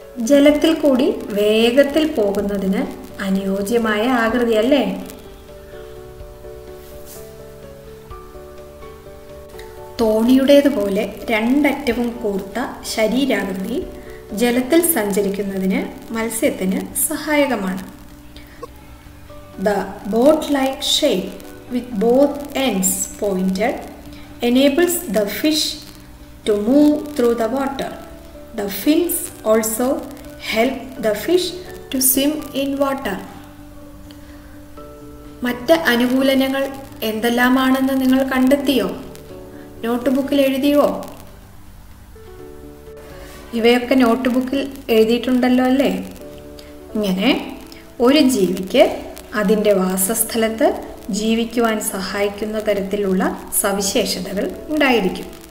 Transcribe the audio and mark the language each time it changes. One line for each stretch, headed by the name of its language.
Malayalam: ജലത്തിൽ കൂടി വേഗത്തിൽ പോകുന്നതിന് അനുയോജ്യമായ ആകൃതി അല്ലേ? തോണിയുടേതുപോലെ രണ്ടറ്റവും കൂർത്ത ശരീരാകൃതി ജലത്തിൽ സഞ്ചരിക്കുന്നതിന് മത്സ്യത്തിന് സഹായകമാണ്.
English: The boat-like shape with both ends pointed enables the fish to move through the water. The fins also help the fish to swim in water.
Malayalam: മറ്റ് അനുകൂലങ്ങൾ എന്തെല്ലാമാണെന്ന് നിങ്ങൾ കണ്ടെത്തിയോ? നോട്ട്ബുക്കിൽ എഴുതിയോ? ഇവയൊക്കെ നോട്ട്ബുക്കിൽ എഴുതിയിട്ടുണ്ടല്ലോ അല്ലേ? ഇങ്ങനെ ഒരു ജീവിക്ക് അതിൻ്റെ വാസസ്ഥലത്ത് ജീവിക്കുവാൻ സഹായിക്കുന്ന തരത്തിലുള്ള സവിശേഷതകൾ ഉണ്ടായിരിക്കും.